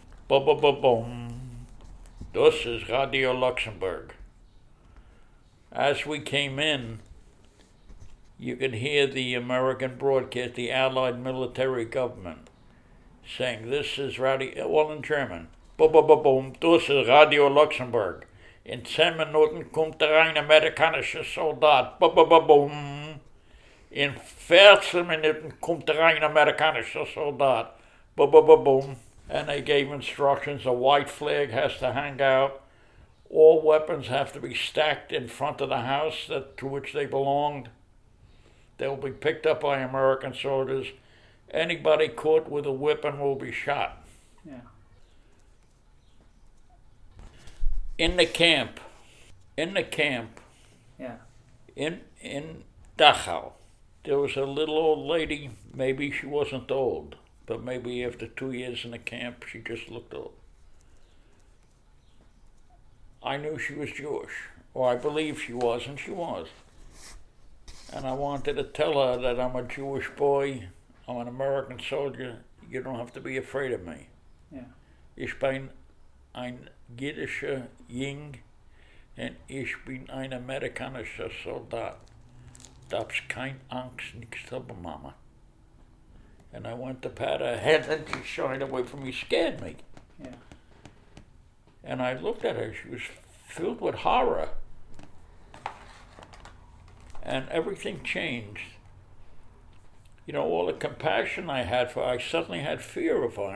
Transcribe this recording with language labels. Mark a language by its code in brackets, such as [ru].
[en] Ba-ba-ba-boom. This is Radio Luxembourg. As we came in, you could hear the American broadcast, the Allied military government, saying, this is Radio, well, in German, ba-ba-ba-boom, this is Radio Luxembourg. [de] In 10 Minuten kommt ein amerikanischer Soldat, ba-ba-ba-boom. In 14 Minuten kommt ein amerikanischer Soldat, ba-ba-ba-boom. [en] And they gave instructions, a white flag has to hang out. All weapons have to be stacked in front of the house that to which they belonged. They'll be picked up by American soldiers. Anybody caught with a weapon will be shot. Yeah. In the camp. Yeah. In Dachau, there was a little old lady, maybe she wasn't old, but maybe after 2 years in the camp, she just looked old. I knew she was Jewish, or I believe she was, and she was. And I wanted to tell her that I'm a Jewish boy, I'm an American soldier, you don't have to be afraid of me. Yeah. [de] Ich bin ein jüdischer Jing, und ich bin ein amerikanischer Soldat. Darfst keine Angst, nichts haben, Mama. [en] And I went to pat her head, and she shied away from me, scared me. Yeah. And I looked at her, she was filled with horror. And everything changed. You know, all the compassion I had for her, I suddenly had fear of her.